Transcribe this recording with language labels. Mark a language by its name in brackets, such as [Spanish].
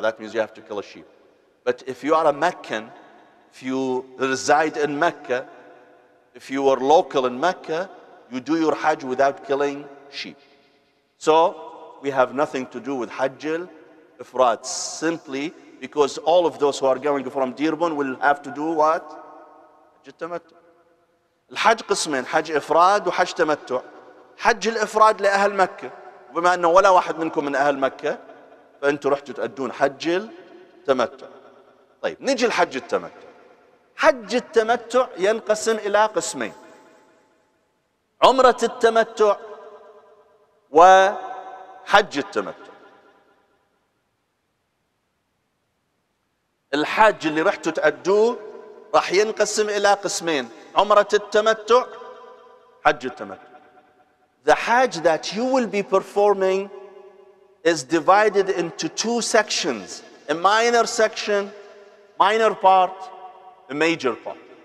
[English] That means you have to kill a sheep. But if you are a Meccan, if you reside in Mecca, if you are local in Mecca, you do your Hajj without killing sheep. So, we have nothing to do with Hajj al-Ifrad simply because all of those who are going from Dearborn will have to do what? Hajj al-Tamattu. [Arabic] الحج قسمين حج إفراد وحج تمتع. حج الإفراد لأهل مكة. بما أنه ولا واحد منكم من أهل مكة فأنتوا رحتوا تأدون حج التمتع. طيب نجي لحج التمتع. حج التمتع ينقسم إلى قسمين. عمرة التمتع و حج التمتع الحج اللي رحتوا تأدوه راح ينقسم إلى قسمين عمرة التمتع حج التمتع [English] The Hajj that you will be performing is divided into two sections a minor section minor part a major part